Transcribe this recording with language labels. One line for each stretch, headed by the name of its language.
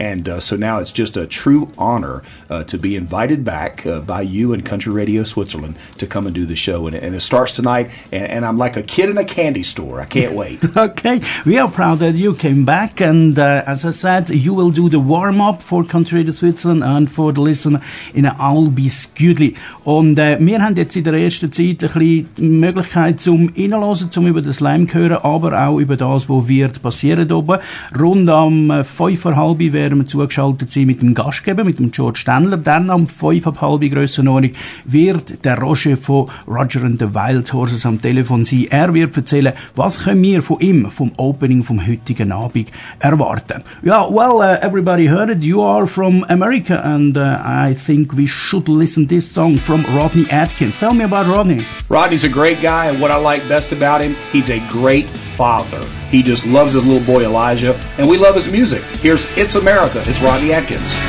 English: And so now it's just a true honor to be invited back by you and Country Radio Switzerland to come and do the show. And it starts tonight, and I'm like a kid in a candy store. I can't wait. Okay. We are proud that you came back. And as I said, you will do the warm-up for Country Radio Switzerland and for the listener in Albis Güetli.
German: Und wir haben jetzt in der ersten Zeit ein bisschen Möglichkeit zum Innenlosen, zum über den Slam hören, aber auch über das, was wird passieren oben. Rund am 5:30 werden wir zugeschaltet sein mit dem Gastgeber, mit dem George Stanley. Dann am 5:30 Grössenordnung wird der Roger von Roger and the Wild Horses am Telefon sein. Er wird erzählen, was können wir von ihm, vom Opening vom heutigen Abend erwarten.
English: Ja, well, everybody heard it. You are from America, and I think we should listen to this song from Rodney Atkins. Tell me about Rodney. Rodney's a great guy, and what I like best about him, he's a great father. He just loves his little boy Elijah, and we love his music. Here's It's America. It's Rodney Atkins.